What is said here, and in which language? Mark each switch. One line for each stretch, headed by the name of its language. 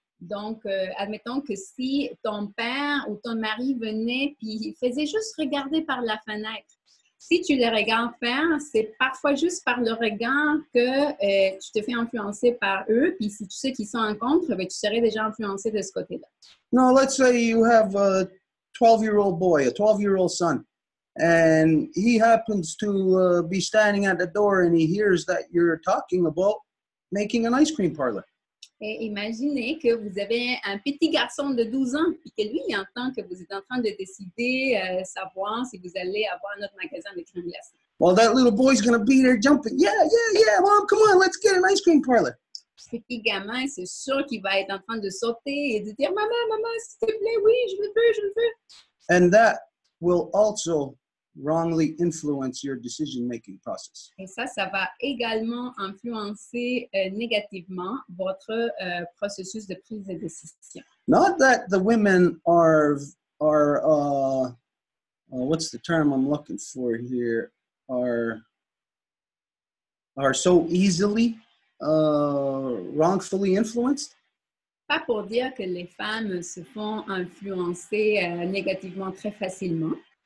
French: Donc, admettons que si ton père ou ton mari venait puis il faisait juste regarder par la fenêtre, si tu le regardes faire, c'est parfois juste par le regard que tu te fais influencer par eux. Puis si tu sais qu'ils sont en contre, ben, tu serais déjà influencé de ce côté-là.
English: Now, let's say you have a 12-year-old boy, a 12-year-old son, and he happens to be standing at the door and he hears that you're talking about making an ice cream parlor.
French: Et imaginez que vous avez un petit garçon de 12 ans et que lui, il entend que vous êtes en train de décider savoir si vous allez avoir notre magasin de crème glacée.
English: Well, that little boy's going to be there jumping. Yeah, yeah, yeah, mom, come on, let's get an ice cream parlor.
French: Ce petit gamin, c'est sûr qu'il va être en train de sauter et de dire, maman, maman, s'il te plaît, oui, je le veux, je le veux.
English: And that will also wrongly influence your decision-making process.
French: Et ça, ça va également influencer négativement votre processus de prise de décision.
English: Not that the women are so easily wrongfully influenced.
French: Pas pour dire que les femmes se font influencer négativement très facilement.